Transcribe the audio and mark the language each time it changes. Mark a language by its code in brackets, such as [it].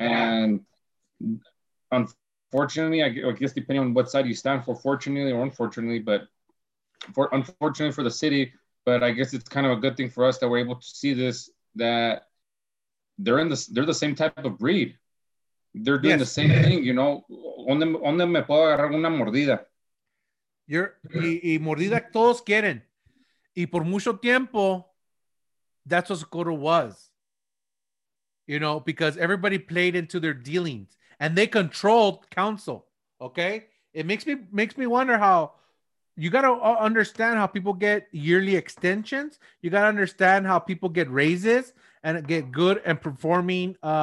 [en] And unfortunately, I guess depending on what side you stand for, fortunately or unfortunately, but for unfortunately for the city, but I guess it's kind of a good thing for us that we're able to see this, that they're the same type of breed. They're doing yes. The same thing, you know. [es] ¿Dónde me puedo agarrar una mordida? Y mordida todos quieren. Y por mucho tiempo, [en] that's what Socorro was. You know, because everybody played into their dealings. And they controlled council, okay? It makes me wonder how... You got to understand how people get yearly extensions. You got to understand how people get raises and get good and performing...